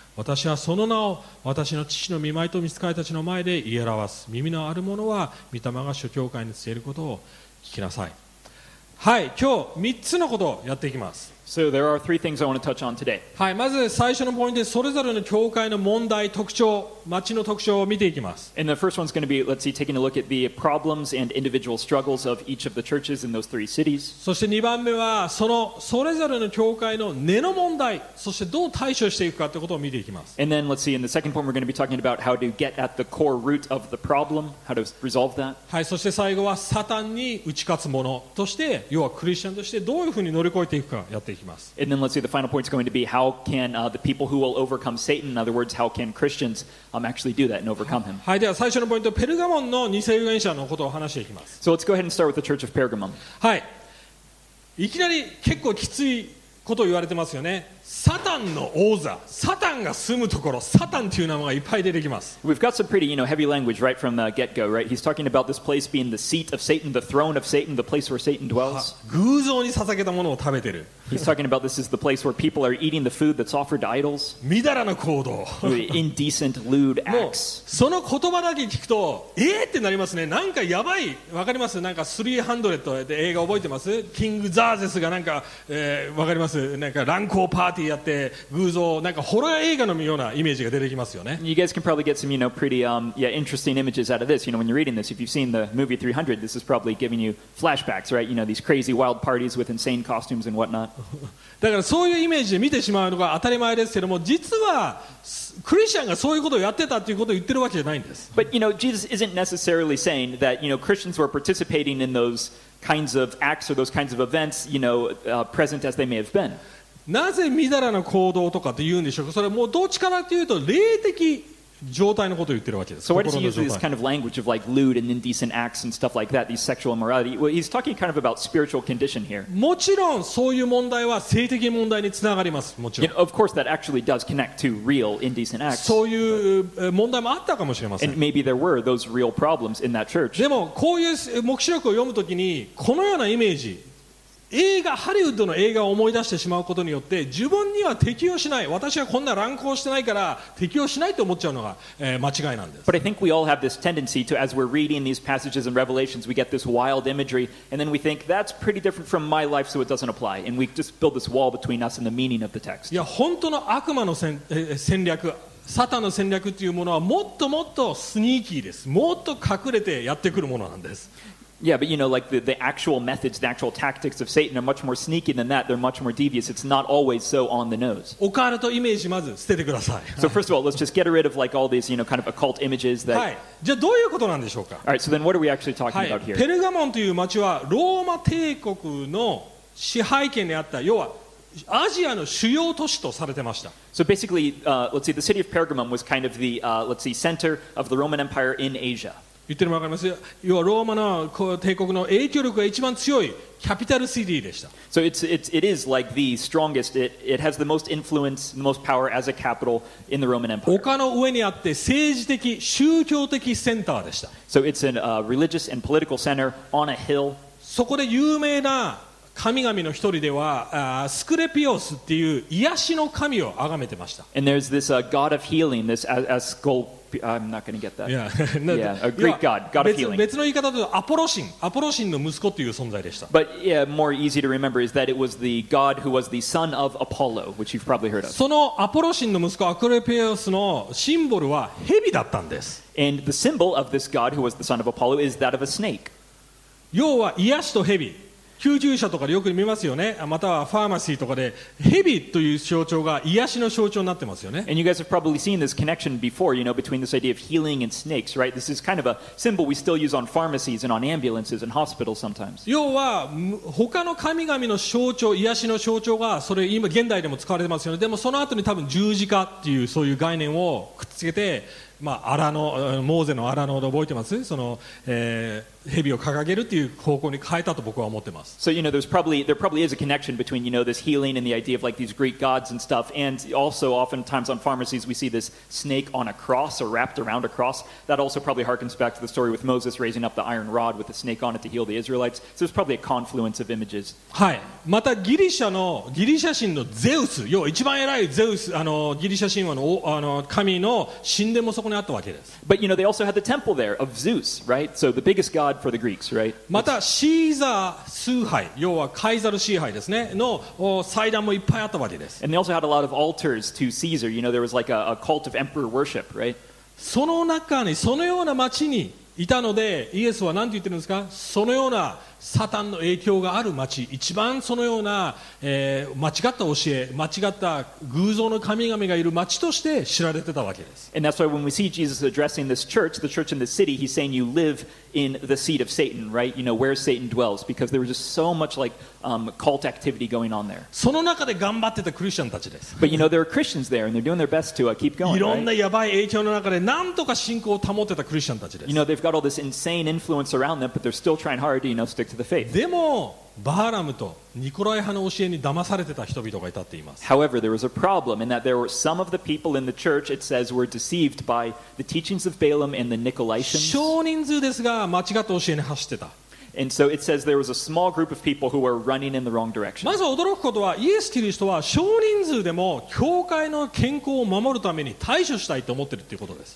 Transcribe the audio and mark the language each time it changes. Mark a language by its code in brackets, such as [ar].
[ja] 私はその名を私の父の御前と御使いたちの前で言い表す。耳のある者は御霊が諸教会に伝えることを聞きなさい。はい、今日3つのことをやっていきます。 [en] So there are three things I want to touch on today. [ja] はい、まず最初のポイントで、それぞれの教会の問題、特徴、町の特徴を見ていきます。 [en] And the first one's going to be, let's see, taking a look at the problems and individual struggles of each of the churches in those three cities. [ja] そして2番目は、そのそれぞれの教会の根の問題、そしてどう対処していくかということを見ていきます。 [en] And then let's see, in the second point, we're going to be talking about how to get at the core root of the problem, how to resolve that. [ja] はい、そして最後はサタンに打ち勝つものとして、要はクリスチャンとしてどういうふうに乗り越えていくかやっていきます。 [en] And then let's see, the final point is going to be how can the people who will overcome Satan, in other words, how can Christians actually do that and overcome him. [ja] はい、では最初のポイント、ペルガモンの二世預言者のことを話していきます。 [en] So let's go ahead and start with the Church of Pergamum. [ja] はい、いきなり結構きついことを言われてますよね。サタンの王座、サタンが住むところ、サタンという名前がいっぱい出てきます。 [en] We've got some pretty, you know, heavy language right from the get-go, right? He's talking about this place being the seat of Satan, the throne of Satan, the place where Satan dwells. [ja] 偶像に捧げたものを食べてる。 [en] He's talking about this is the place where people are eating the food that's offered to idols. [ja] みだらな行動。 [en] Indecent, lewd acts. [ja] その言葉だけ聞くと、ってなりますね。なんかやばい。わかります? なんか300って映画覚えてます?キング・ザーゼスがなんか、わかります? なんか乱行パーティーやって偶像、なんかホラー映画のようなイメージが出てきますよね。 [en] You guys can probably get some, you know, pretty, yeah, interesting images out of this. You know, when you're reading this, if you've seen the movie 300, this is probably giving you flashbacks, right? You know, these crazy wild parties with insane costumes and whatnot. [ja] だからそういうイメージで見てしまうのが当たり前ですけども、実はクリスチャンがそういうことをやってたということを言ってるわけじゃないんです。 [en] But you know, Jesus isn't necessarily saying that, you know, Christians were participating in those kinds of acts or those kinds of events, you know, present as they may have been. [ja] なぜみだらな行動とかって言うんでしょうか。それはもうどっちかなというと霊的状態のことを言ってるわけです。 [en] So why does he use this kind of language of like lewd and indecent acts and stuff like that, these sexual immorality? Well, he's talking kind of about spiritual condition here. [ja] もちろんそういう問題は性的問題につながります。もちろん。 [en] Of course, that actually does connect to real indecent acts. [ja] そういう問題もあったかもしれません。 [en] And maybe there were those real problems in that church. [ja] でもこういう黙示録を読むときにこのようなイメージ。映画、ハリウッドの映画を思い出してしまうことによって自分には適用しない、私はこんな乱行してないから適用しないと思っちゃうのが、間違いなんです。 [en] But I think we all have this tendency to, as we're reading these passages and revelations, we get this wild imagery, and then we think, that's pretty different from my life, so it doesn't apply. And we just build this wall between us and the meaning of the text. [ja] いや、本当の悪魔の戦略、サタンの戦略というものはもっともっとスニーキーです。もっと隠れてやってくるものなんです。 [en] Yeah, but you know, like the actual methods, the actual tactics of Satan are much more sneaky than that. They're much more devious. It's not always so on the nose. [ja] オカルトイメージまず捨ててください。 [en] So first of all, let's just get rid of like all these, you know, kind of occult images that... [ja] はい。じゃあどういうことなんでしょうか? [en] All right, so then what are we actually talking about here? [ja] ペルガモンという町はローマ帝国の支配権にあった、要はアジアの主要都市とされてました。 [en] So basically, let's see, the city of Pergamum was kind of the, let's see, center of the Roman Empire in Asia. [ja] 言ってるのも分かります。要はローマの帝国の影響力が一番強いキャピタルシティでした。 [en] So it is like the strongest. It has the most influence, the most power as a capital in the Roman Empire. [ja] 丘の上にあって政治的、宗教的センターでした。 [en] So it's an religious and political center on a hill. [ja] そこで有名な神々の一人ではスクレピオスっていう癒しの神を崇めてました。 [en] And there's this god of healing, this Asclepius. I'm not going to get that. Yeah. yeah, a Greek god, god of healing. [ja] 別の言い方だとアポロシン、アポロシンの息子という存在でした。 [en] But yeah, more easy to remember is that it was the god who was the son of Apollo, which you've probably heard of. [ja] そのアポロシンの息子アクレピオスのシンボルは蛇だったんです。 [en] And the symbol of this god who was the son of Apollo is that of a snake. [ja] 要は癒しと蛇。救急車とかでよく見ますよね。またはファーマシーとかで蛇という象徴が癒しの象徴になってますよね。 [en] And you guys have probably seen this connection before, you know, between this idea of healing and snakes, right? This is kind of a symbol we still use on pharmacies and on ambulances and hospitals sometimes. [ja] 要は他の神々の象徴、癒しの象徴がそれ今現代でも使われてますよね。でもその後に多分十字架っていうそういう概念をくっつけて、まあ、荒野、モーゼの荒野で覚えてます? その、蛇を掲げるっていう方向に変えたと僕は思ってます。 [en] So, you know, there probably is a connection between, you know, this healing and the idea of like these Greek gods and stuff. And also oftentimes on pharmacies we see this snake on a cross or wrapped around a cross. That also probably harkens back to the story with Moses raising up the iron rod with the snake on it to heal the Israelites. So there's probably a confluence of images. [ja] はい。またギリシャ神のゼウス、要は一番偉いゼウス、ギリシャ神話の、神の神殿もそこにあったわけです。 [en] But, you know, they also had the temple there of Zeus, right? So the biggest god for the Greeks, right? [ja] またシーザー崇拝、要はカイザル崇拝ですね、の祭壇もいっぱいあったわけです。 [en] And they also had a lot of altars to Caesar. You know, there was like a cult of emperor worship, right? [ja] その中に、そのような町にいたので、イエスは何て言ってるんですか? そのようなサタンの影響がある町、一番そのような、間違った教え、間違った偶像の神々がいる町として知られてたわけです。 [en] And that's why when we see Jesus addressing this church, the church in the city, he's saying you live in the seat of Satan, right? You know, where Satan dwells, because there was just so much like, cult activity going on there. [ja] その中で頑張ってたクリスチャンたちです。 [en] But you know, there are Christians there, and they're doing their best to keep going, right? [ja] いろんなやばい影響の中で何とか信仰を保ってたクリスチャンたちです。 [en] You know, they've got all this insane influence around them, but they're still trying hard to, you know, stick to the faith. [ja] でもバーラムとニコライ派の教えに騙されてた人々がいたって言います。 [en] However, there was a problem in that there were some of the people in the church, it says, were deceived by the teachings of Balaam and the Nicolaitans. [ja] 少人数ですが間違った教えに走ってた。 [en] And so it says there was a small group of people who were running in the wrong direction. [ja] まず驚くことはイエス・キリストは少人数でも教会の健康を守るために対処したいと思っているということです。